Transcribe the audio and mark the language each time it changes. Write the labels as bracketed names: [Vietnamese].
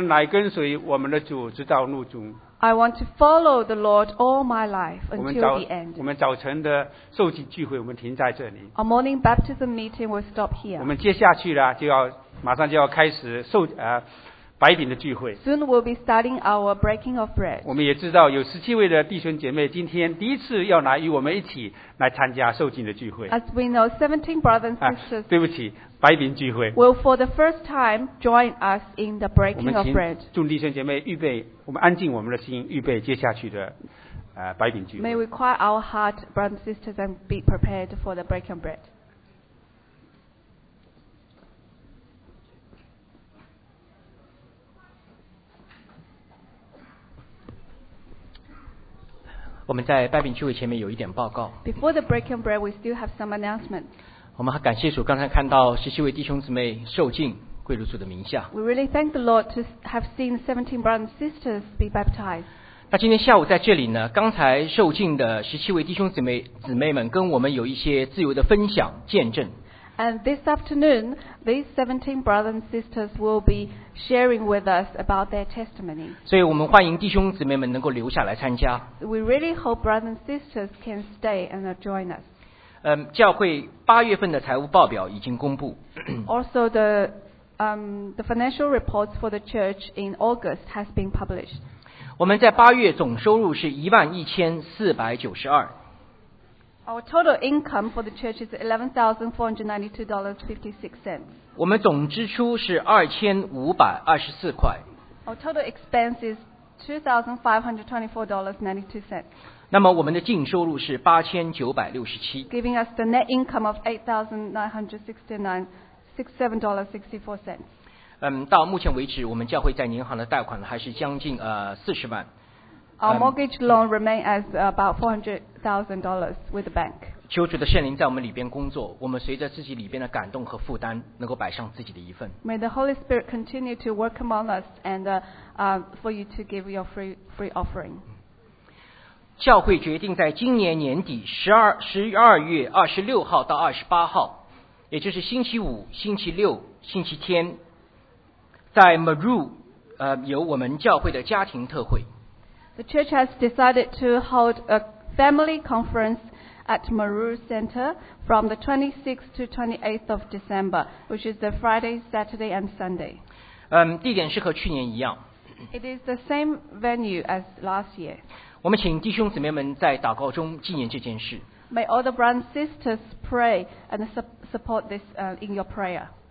[Chinese] 跟随我们的主直到入终。 [English] I want to follow the Lord all my life until the end. [Chinese] 我们早晨的受洗聚会我们停在这里。 [English] Our morning baptism meeting will stop here. [Chinese] 我们接下去了就要马上就要开始受白饼的聚会。 [English] Soon we'll be starting our breaking of bread. [Chinese] 我们也知道有17位的弟兄姐妹今天第一次要来与我们一起来参加受洗的聚会。 [English] As we know, 17 brothers and sisters. [Chinese] 对不起，白饼聚会。 [English] Will for the first time join us in the breaking of bread. [Chinese] 祝弟兄姐妹预备，我们安静我们的心，预备接下去的白饼聚会。 [English] May we quiet our heart, brothers and sisters, and be prepared for the breaking of bread. [Chinese] 我们在拜饼聚会前面有一点报告。 [English] Before the breaking bread, we still have some announcement. [Chinese] 我们还感谢主，刚才看到17位弟兄姊妹受浸归入主的名下。 [English] We really thank the Lord to have seen 17 brothers and sisters be baptized. [Chinese] 那今天下午在这里呢，刚才受浸的17位弟兄姊妹们跟我们有一些自由的分享见证。 [English] And this afternoon, these 17 brothers and sisters will be sharing with us about their testimony. [Chinese] 所以我们欢迎弟兄姊妹们能够留下来参加。 [English] We really hope brothers and sisters can stay and join us. [Chinese] 教会八月份的财务报表已经公布。 [English] Also, the financial reports for the church in August has been published. [Chinese] 我们在八月总收入是11492。 [English] Our total income for the church is $11,492.56. [Chinese] 我们总支出 是 2524 块。 [English] Our total expense is $2,524.92. [Chinese] 那么我们的净收入 是 8967。 [English] Giving us the net income of $8,969.67.64. [Chinese] 到目前为止 我们教会在银行的贷款 还是将近 40万。 [English] Our mortgage loan remains as about $400,000 with the bank. [Chinese] 求主的圣灵在我们里边工作, 我们随着自己里边的感动和负担, 能够摆上自己的一份。 [English] May the Holy Spirit continue to work among us and for you to give your free offering. [Chinese] 教会决定在今年年底 12月26号到28号, 也就是星期五, 星期六, 星期天, 在 Maru, 有我们教会的家庭特会。 [English] The church has decided to hold a family conference at Maru Center from the 26th to 28th of December, which is the Friday, Saturday, and Sunday. [Chinese] 地点是和去年一样。 [English] It is the same venue as last year. [Chinese] 我们请弟兄姊妹们在祷告中纪念这件事。 [English] May all the brothers and sisters pray and support this in your prayer.